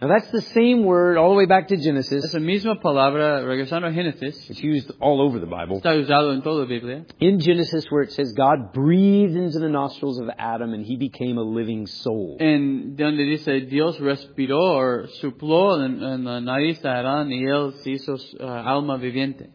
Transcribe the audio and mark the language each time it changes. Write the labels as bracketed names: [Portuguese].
[English] Now that's the same word all the way back to Genesis. [Spanish] Es la misma palabra regresando a Génesis. [English] It's used all over the Bible. [Spanish] Está usado en toda la Biblia. [English] In Genesis, where it says God breathed into the nostrils of Adam and he became a living soul. [Spanish] En donde dice Dios respiró o sopló en la nariz de Adán y él se hizo alma viviente.